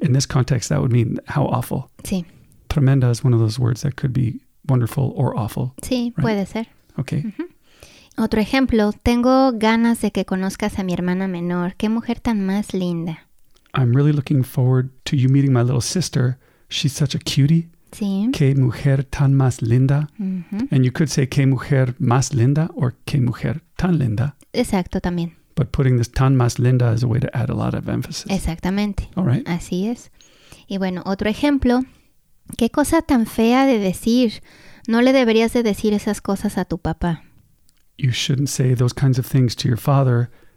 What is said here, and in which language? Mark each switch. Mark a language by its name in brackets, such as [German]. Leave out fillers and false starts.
[English] In this context, that would mean how awful. [Spanish] Sí. [English] Tremenda is one of those words that could be wonderful or awful. [Spanish] Sí, right? Puede ser. [English] Okay. Mm-hmm. [Spanish] Otro ejemplo, tengo ganas de que conozcas a mi hermana menor. ¡Qué mujer tan más linda! [English] I'm really looking forward to you meeting my little sister. She's such a cutie. [Spanish] Sí. ¡Qué mujer tan más linda! Uh-huh. [English] And you could say, [Spanish] ¡qué mujer más linda! [English] Or, [Spanish] ¡qué mujer tan linda! Exacto, también. [English] But putting this [Spanish] tan más linda [English] is a way to add a lot of emphasis. [Spanish] Exactamente. [English] All right. [Spanish] Así es. Y bueno, otro ejemplo, ¡qué cosa tan fea de decir! No le deberías de decir esas cosas a tu papá. [English] You shouldn't say those kinds of things to your father.